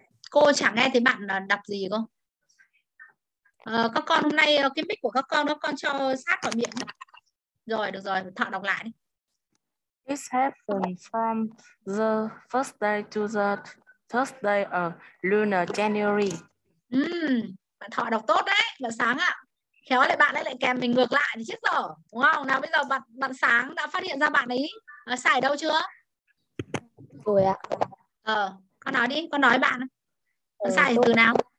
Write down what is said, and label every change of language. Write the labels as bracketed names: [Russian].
[Vietnamese] Cô chẳng nghe thấy bạn đọc gì cơ. Các con hôm nay cái mic của các con nó con cho sát vào miệng. Rồi, được rồi, Thọ đọc lại đi. [English] This happened from the first day to the first day of Lunar January. [Vietnamese] Bạn Thọ đọc tốt đấy, bạn Sáng ạ. Khéo lại bạn ấy lại kèm mình ngược lại thì chết rồi, đúng không? Nào bây giờ bạn Sáng đã phát hiện ra bạn ấy sai đâu chưa? Rồi ạ. Con nói đi, con nói bạn. Bạn sai từ nào?